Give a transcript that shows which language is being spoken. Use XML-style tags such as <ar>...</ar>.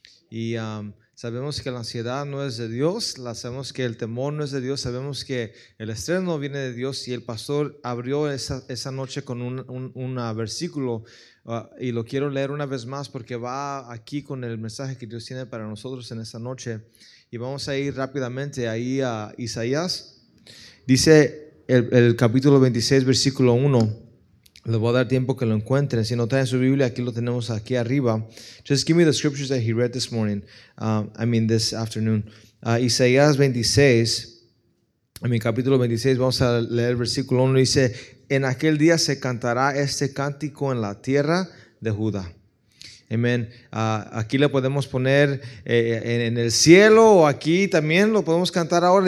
<es>Y sabemos que la ansiedad no es de Dios, sabemos que el temor no es de Dios, sabemos que el estrés no viene de Dios. Y el pastor abrió esa noche con un versículo, y lo quiero leer una vez más porque va aquí con el mensaje que Dios tiene para nosotros en esa noche. Y vamos a ir rápidamente ahí a Isaías. Dice el capítulo 26, versículo 1. Le voy a dar tiempo que lo encuentren. Si no traen su Biblia, aquí lo tenemos aquí arriba.</es> <en>Just give me the scriptures that he read this morning. This afternoon.</en> <es>Isaías 26, en mi capítulo 26, vamos a leer el versículo 1. Dice: en aquel día se cantará este cántico en la tierra de Judá. Amén. Aquí le podemos poner en el cielo, o aquí también lo podemos cantar ahora.</es>